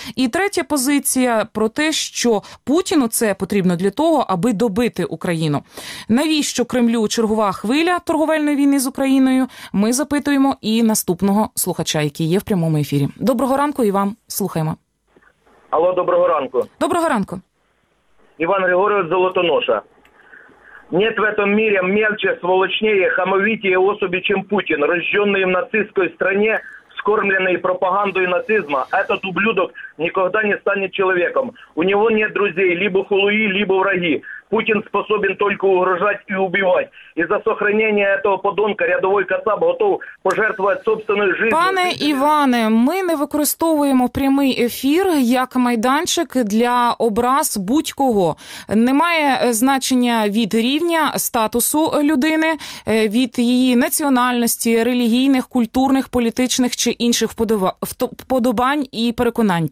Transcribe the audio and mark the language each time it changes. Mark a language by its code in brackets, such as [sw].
[uk] І третя позиція про те, що Путіну це потрібно для того, аби добити Україну. Навіщо Кремлю чергова хвиля торговельної війни з Україною, ми запитуємо і наступного слухача, який є в прямому ефірі. Доброго ранку і вам, слухаємо. Алло, доброго ранку. Доброго ранку. Іван Григорович, Золотоноша. [ru] Нет в этом мире мельче, сволочнее, хамовитее особи, чем Путин, рожденный в нацистской стране, скормленный пропагандой нацизма. Этот ублюдок никогда не станет человеком. У него нет друзей, либо хулуи, либо враги. Путин способен только угрожать и убивать. Из-за сохранения этого подонка рядовой Кацаб готов пожертвовать собственной жизнью. [uk] Пане Іване, ми не використовуємо прямий ефір як майданчик для образ будь-кого. Немає значення від рівня статусу людини, від її національності, релігійних, культурних, політичних чи інших вподобань і переконань.